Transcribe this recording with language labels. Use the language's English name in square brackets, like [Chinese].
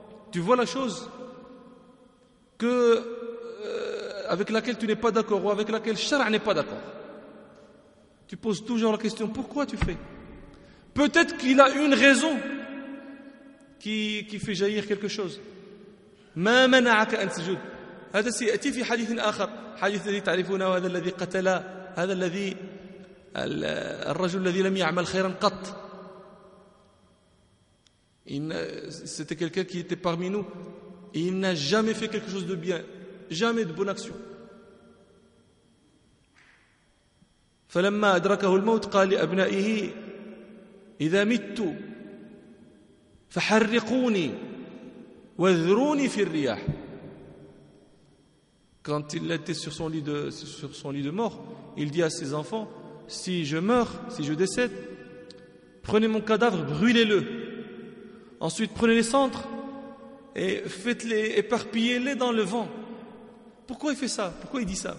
[French] Tu vois la chose que, avec laquelle tu n'es pas d'accord ou avec laquelle Shara n'est pas d'accord. Tu poses toujours la question, pourquoi tu fais? Peut-être qu'il a une raison qui fait jaillir quelque chose. [Arabic] ما منعك أن تسجد؟ هذا سيأتي في حديث آخر، حديث الذي تعرفونه، هذا الذي قتل، هذا الذي الرجل الذي لم يعمل خيرا قط. [French] إن c'était quelqu'un qui était parmi nous. Il n'a jamais fait quelque chose de bien, jamais de bonne action. [Arabic] فلما أدركه الموت قال لأبنائه إذا مت فحرقوني وذروني في الرياح. [French] Quand il était sur son lit de mort, il dit à ses enfants, si je meurs, si je décède, prenez mon cadavre, brûlez-le. Ensuite, prenez les cendres et faites-les, éparpillez-les dans le vent. Pourquoi il fait ça? Pourquoi il dit ça?